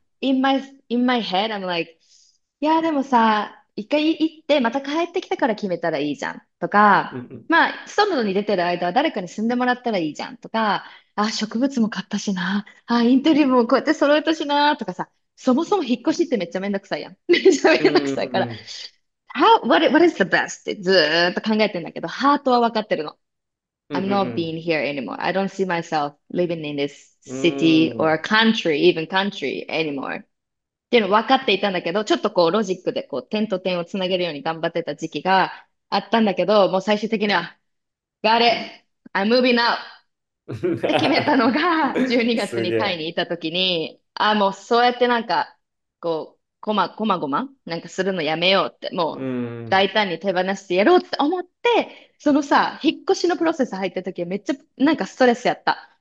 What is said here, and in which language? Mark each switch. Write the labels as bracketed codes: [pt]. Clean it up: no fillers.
[en] in my head, I'm like, yeah, [ja] でもさ、一回行ってまた帰ってきたから決めたらいいじゃんとか、まあ、外に出てる間は誰かに住んでもらったらいいじゃんとか、あ、植物も買ったしな、あ、インテリアもこうやって揃えたしなとかさ、そもそも引っ越しってめっちゃめんどくさいやん。めっちゃめんどくさいから、 [en] what is the best? [ja] ってずーっと考えてんだけど、ハートは分かってるの。 [en] I'm not being here anymore. I don't see myself living in this city or country, even country anymore. [ja] っていうの分かっていたんだけど、ちょっとこうロジックでこう点と点をつなげるように頑張ってた時期があったんだけど、もう最終的には、 [en] Got it! I'm moving out! [ja] って決めたのが、12 す月にタイげえ。にいた時に、あ、もうそうやってなんか、こう、こまごま、なんかするのやめようって、もう大胆に手放してやろうって思って、そのさ、引っ越しのプロセス入った時はめっちゃなんかストレスやった。